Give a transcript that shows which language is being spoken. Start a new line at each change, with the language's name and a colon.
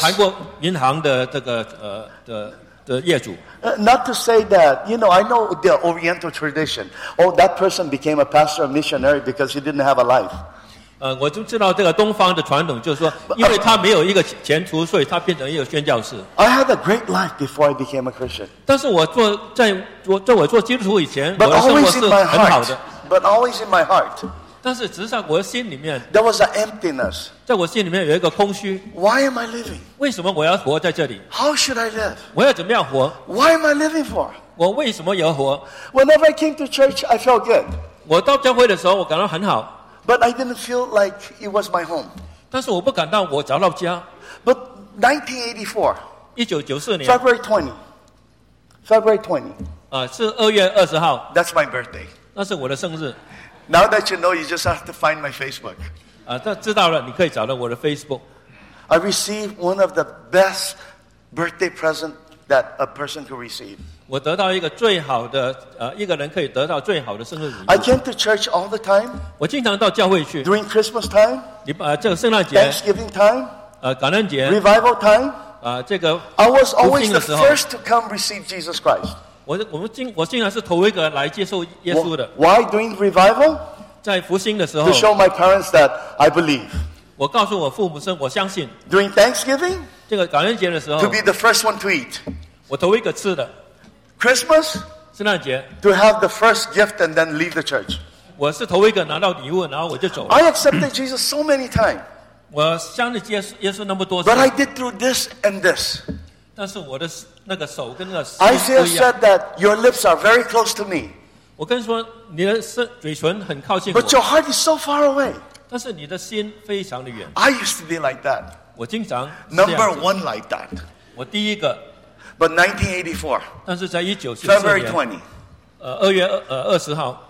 Chinese: 韩国银行的这个的业主。
English: Not to say that, you know, I know the Oriental tradition. Oh, that person became a pastor or missionary because he didn't have a life.
Chinese: 我就知道这个东方的传统，就是说，因为他没有一个前途，所以他变成一个宣教士。
English: I had a great life before I became a Christian.
Chinese: 但是我做在我做基督徒以前，我的生活是很好的。
English: But always in my heart.
Chinese: 但是实际上，我心里面
English: there was an emptiness.
Chinese: 在我心里面有一个空虚。
English: Why am I living?
Chinese: 为什么我要活在这里
English: ？How should I live?
Chinese: 我要怎么样活
English: ？Why am I living for?
Chinese: 我为什么要活
English: ？Whenever I came to church, I felt good.
Chinese: 我到教会的时候，我感到很好。
English: But I didn't feel like it was my home.
Chinese: 但是我不感到我找到家。
English: But 1984,
Chinese: 1994年
English: February 20,
Chinese: 是2月20号。
English: That's my birthday.
Chinese: 那是我的生日。
English: Now that you know, you just have to find my Facebook.
Chinese: 知道了，你可以找到我的 Facebook.
English: I received one of the best birthday present that a person could receive.
Chinese: 我得到一个最好的一个人可以得到最好的生日礼物。
English: I came to church all the time.
Chinese: 我经常到教会去。
English: During Christmas time.
Chinese: 这个圣诞节。
English: Thanksgiving time.
Chinese: 感恩节。
English: Revival time.
Chinese: 这个。
English: I was always the first to come receive Jesus Christ.
Chinese: 我竟然是头一个来接受耶稣的。
English: Why during revival?
Chinese: 在复兴的时候。
English: To show my parents that I believe.
Chinese: 我告诉我父母说我相信。
English: During Thanksgiving?
Chinese: 这个感恩节的时候。
English: To be the first one to eat.
Chinese: 我头一个吃的。
English: Christmas?
Chinese: 圣诞节。
English: To have the first gift and then leave the church.
Chinese: 我是头一个拿到礼物然后我就走
English: 了。I accepted Jesus so many times.
Chinese: 我相信耶稣那么多次。
English: But I did through this and this.
Chinese: 但是我的那个手跟那个
English: Isaiah said that your lips are very close to me.
Chinese: 我跟你说，你的嘴唇很靠近我。
English: But your heart is so far away.
Chinese: 但是你的心非常的远。
English: I used to be like that.
Chinese: 我经常
English: Number one like that.
Chinese: 我第一个。
English: But 1984.
Chinese: 但是在1994
English: February 20.
Chinese: 2月20号。